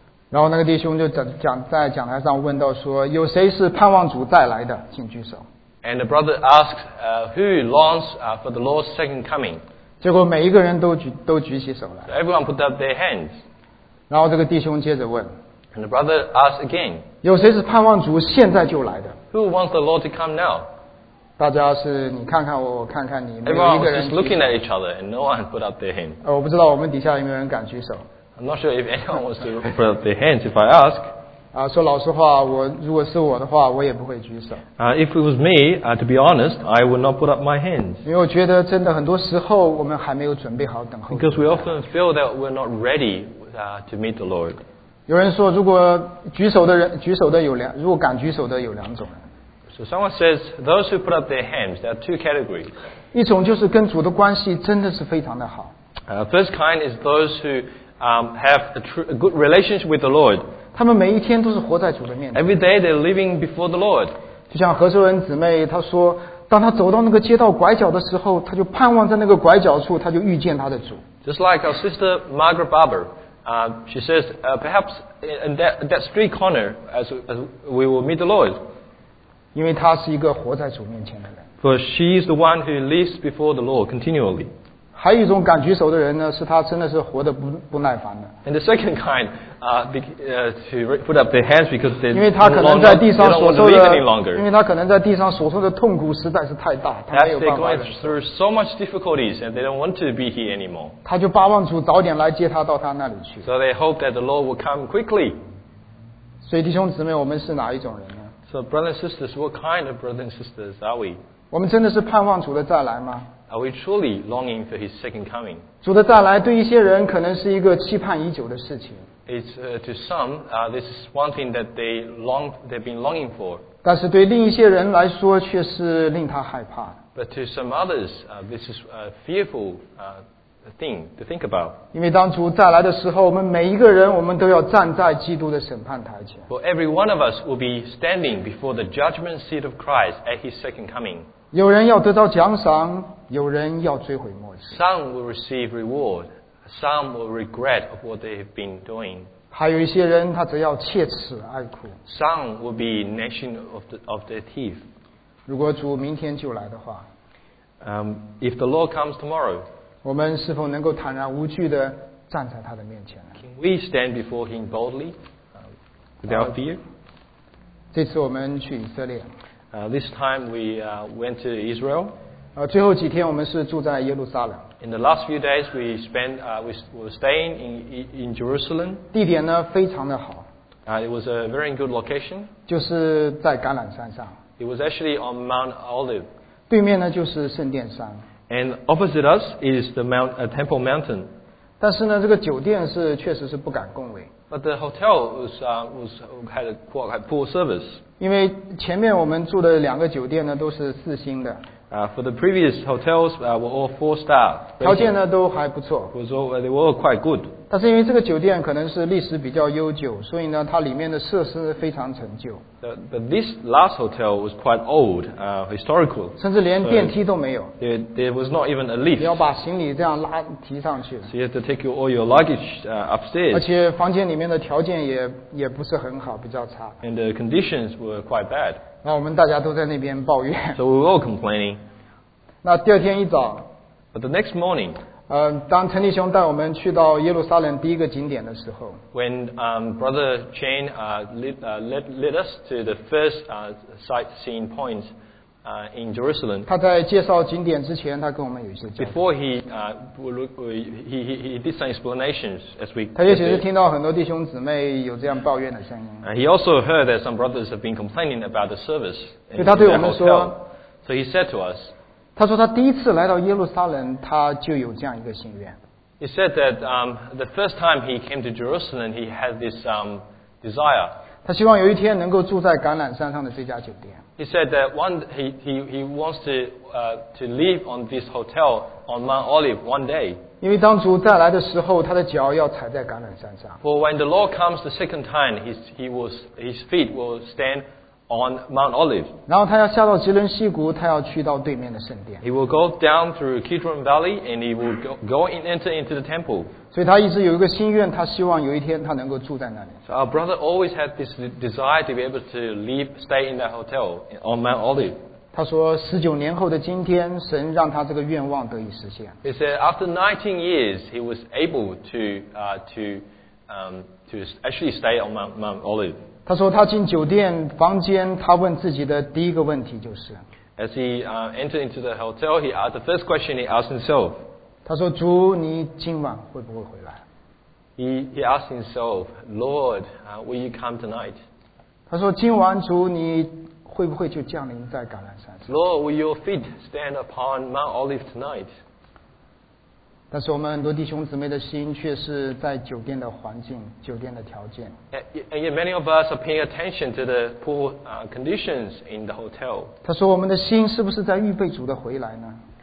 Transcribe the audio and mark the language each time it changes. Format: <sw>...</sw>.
<zh>然后那个弟兄就在讲台上问到说，有谁是盼望主再来的？请举手。</zh> <en>And the brother asked, who longs for the Lord's second coming?</en> <zh>结果每一个人都举起手来。</zh> <en>So、everyone put up their hands.</en> <zh>然后这个弟兄接着问</zh> <en>，And the brother asked again，</en> <zh>有谁是盼望主现在就来的</zh> <en>？Who wants the Lord to come now？</en> <zh>大家是你看看我，我看看你，没有一个人。</zh> <en>Everyone was just looking at each other, and no one put up their hand.</en> <zh>我不知道我们底下有没有人敢举手。</zh> <en>I'm not sure if anyone wants to put up their hands if I ask.</en> <zh>说老实话，我如果是我的话，我也不会举手。</zh> <en>If it was me, to be honest, I would not put up my hands.</en> <zh>因为我觉得真的很多时候我们还没有准备好等候。</zh> <en>Because we often feel that we're not ready. To meet the Lord.</en> <zh>有人说，如果举手的人举手的有两，如果敢举手的有两种。</zh> <en>So someone says those who put up their hands, there are two categories.</en> <zh>一种就是跟主的关系真的是非常的好。</zh> <en>First kind is those who have a good relationship with the Lord.</en> <zh>他们每一天都是活在主的面前。</zh> <en>Every day they're living before the Lord.</en> <zh>就像何秀恩姊妹她说。当他走到那个街道拐角的时候，他就盼望在那个拐角处，他就遇见他的主。</zh> <en>Just like our sister Margaret Barber, she says, perhaps in that street corner, as we will meet the Lord.</en> <zh>因为他是一个活在主面前的人。</zh> <en>For she is the one who lives before the Lord continually.</en> <zh>还有一种敢举手的人呢，是他真的是活得不耐烦的。</zh> <en>And the second kind, to put up their hands because they,</en> <zh>因为他可能在地上所受的</zh> <en>they don't want to live any longer.</en> <zh>因为他可能在地上所受的痛苦实在是太大，他没有办法。</zh> <en>They're going through so much difficulties and they don't want to be here anymore.</en> <zh>他就巴望主早点来接他到他那里去。</zh> <en>So they hope that the Lord will come quickly.</en> <zh>所以弟兄姊妹，我们是哪一种人呢</zh> <en>？So brothers and sisters, what kind of brothers and sisters are we?</en> <zh>我们真的是盼望主的再来吗？</zh> <en>Are we truly longing for His second coming?</en> <zh>主的再来对一些人可能是一个期盼已久的事情。</zh> <en>It's to some, this is one thing that they've been longing for.</en> <zh>但是对另一些人来说却是令他害怕。</zh> <en>But to some others, this is a fearful thing to think about.</en> <zh>因为当主再来的时候，我们每一个人，我们都要站在基督的审判台前。</zh> <en>For every one of us will be standing before the judgment seat of Christ at His second coming.</en> <zh>有人要得到奖赏。有人要追悔莫及。</zh> <en>Some will receive reward. Some will regret of what they have been doing.</en> <zh>还有一些人，他只要切齿哀哭。</zh> <en>Some will be gnashing of their teeth.</en> <zh>如果主明天就来的话</zh> <en>，If the Lord comes tomorrow，</en> <zh>我们是否能够坦然无惧地站在他的面前</zh> <en>？Can we stand before Him boldly, without fear？</en> <zh>这次我们去以色列。</zh> <en>This time we went to Israel.</en> <zh>最后几天我们是住在耶路撒冷。</zh> <en>In the last few days, we spent, we were staying in Jerusalem.</en> <zh>地点呢非常的好。</zh> <en>It was a very good location.</en> <zh>就是在橄榄山上。</zh> <en>It was actually on Mount Olive.</en> <zh>对面呢就是圣殿山。</zh> <en>And opposite us is the Mount, Temple Mountain.</en> <zh>但是呢，这个酒店是确实是不敢恭维。</zh> <en>But the hotel was had a poor service.</en> <zh>因为前面我们住的两个酒店呢都是四星的。</zh> <en>For the previous hotels, were all four star.</en> <zh>条件呢都还不错。</zh> <en>Was all they were all quite good.</en> <zh>但是因为这个酒店可能是历史比较悠久，所以呢它里面的设施非常陈旧。</zh> <en>But this last hotel was quite old, historical.</en> <zh>甚至连电梯都没有。</zh> <en>So、there was not even a lift.</en> <zh>你要把行李这样拉提上去。</zh> <en>So you have to take all your luggage upstairs.</en> <zh>而且房间里面的条件也不是很好，比较差。</zh> <en>And the conditions were quite bad.</en> <zh>那我们大家都在那边抱怨。</zh> <en>So we were all complaining.</en> <zh>那第二天一早。</zh> <en>But the next morning.</en> <zh>当陈立雄带我们去到耶路撒冷第一个景点的时候。</zh> <en>When Brother Chen led us to the first sightseeing point in Jerusalem.</en> <zh>他在介绍景点之前，他跟我们有一些交流。</zh> <en>Before he did some explanations as we.</en> <zh>他也许是听到很多弟兄姊妹有这样抱怨的声音。</zh> <en>He also heard that some brothers have been complaining about the service.</en> <zh>所以他对我们说。</zh> <en>So he said to us.</en> <zh>他说他第一次来到耶路撒冷，他就有这样一个心愿。</zh> <en>He said that the first time he came to Jerusalem, he had this desire.</en> <zh>他希望有一天能够住在橄榄山上的这家酒店。</zh> <en>He said that one he wants to live on this hotel on Mount Olive one day.</en> <zh>因为当主再来的时候，他的脚要踩在橄榄山上。</zh> <en>For when the Lord comes the second time, his feet will stand on Mount Olive.</en> <zh>然后他要下到吉伦西谷，他要去到对面的圣殿。</zh> <en>He will go down through Kidron Valley and he will go and enter into the temple.</en> <zh>所以他一直有一个心愿，他希望有一天他能够住在那里。</zh> <en>So our brother always had this desire to be able to stay in that hotel on Mount Olive.</en> <zh>他说19年后的今天，神让他这个愿望得以实现。</zh> <en>He said after 19 years, he was able to actually stay on Mount Olive.</en> <zh>他说他进酒店房间，他问自己的第一个问题就是</zh> <en>As he entered into the hotel, he asked the first question he asked himself.</en> <zh>他说主，你今晚会不会回来？</zh> <en>He asked himself, Lord, will you come tonight?</en> <zh>他说今晚主，你会不会就降临在橄榄山上？</zh> <en>Lord, will your feet stand upon Mount Olive tonight?</en> <zh>但是我们很多弟兄姊妹的心却是在酒店的环境、酒店的条件。</zh> <en>And yet many of us are paying attention to the poor conditions in the hotel.</en> <zh>他说我们的心是不是在预备主的回来呢</zh>